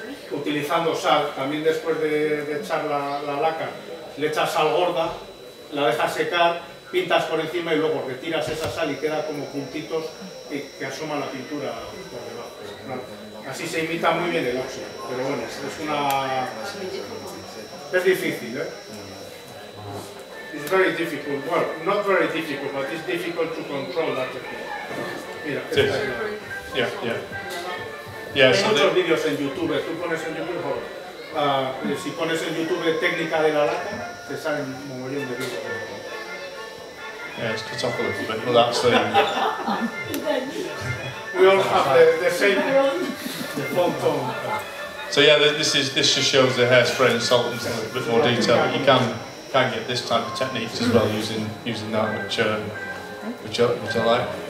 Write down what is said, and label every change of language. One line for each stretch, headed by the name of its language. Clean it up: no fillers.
Spanish: Utilizando sal, también después de echar la laca, le echas sal gorda, la dejas secar, pintas por encima y luego retiras esa sal y queda como puntitos que asoma la pintura por debajo. Así se imita muy bien el óxido, pero bueno, es difícil, ¿eh?
English: It's very difficult, well, not very difficult, but it's difficult to control that technique.
Spanish: Mira, yeah, hay muchos vídeos en YouTube, tú pones en YouTube, si pones en YouTube técnica de la lata, te salen un montón de vídeos.
English: Yeah, it's cut off a little bit, but that's the... We all have the same phone tone. So yeah, this just shows the hairspray and salt in a little bit more detail, but you can get this type of technique as well using that, which I like.